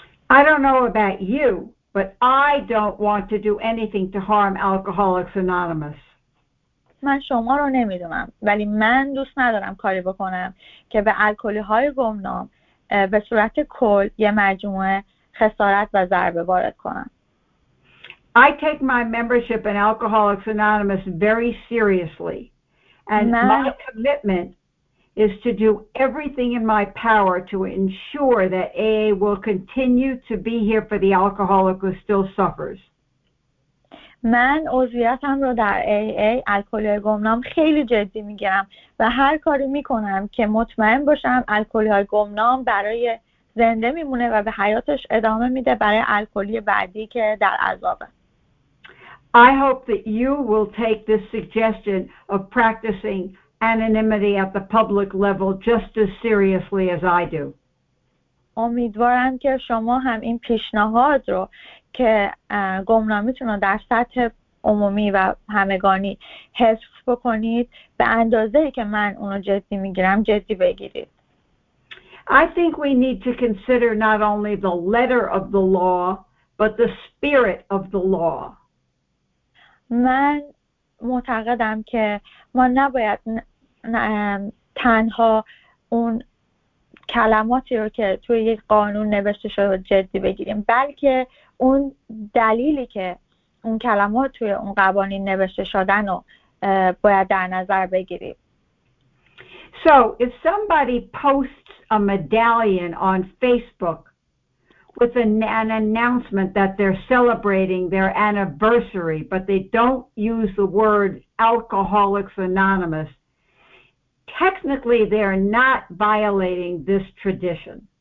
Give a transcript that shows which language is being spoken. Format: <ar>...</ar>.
<en>I don't know about you, but I don't want to do anything to harm Alcoholics Anonymous.</en> <fa>من شما رو نمیدونم، ولی من دوست ندارم کاری بکنم که به الکلی های گمنام به صورت کل یه مجموعه خسارت و ضربه وارد کنم.</fa> <en>I take my membership in Alcoholics Anonymous very seriously, and my commitment is to do everything in my power to ensure that AA will continue to be here for the alcoholic who still suffers.</en> <fa>من عضویتم رو در AA، الکلی گمنام، خیلی جدی میگیرم و هر کاری میکنم که مطمئن باشم الکلی گمنام برای زنده میمونه و به حیاتش ادامه میده برای الکلی بعدی که در عذابه.</fa> <en>I hope that you will take this suggestion of practicing anonymity at the public level just as seriously as I do.</en> <fa>امیدوارم که شما هم این پیشنهاد رو که گمنامیتون رو در سطح عمومی و همگانی حفظ بکنید به اندازه ای که من اونو جدی میگیرم جدی بگیرید.</fa> <en>I think we need to consider not only the letter of the law but the spirit of the law.</en> <fa>من معتقدم که ما نباید تنها اون کلماتی رو که توی یک قانون نوشته شده جدی بگیریم، بلکه اون دلیلی که اون کلمات توی اون قوانین نوشته شدن رو باید در نظر بگیریم.</fa> <en>So if somebody posts a medallion on Facebook with an announcement that they're celebrating their anniversary but they don't use the word Alcoholics Anonymous, technically they are not violating this tradition.</en>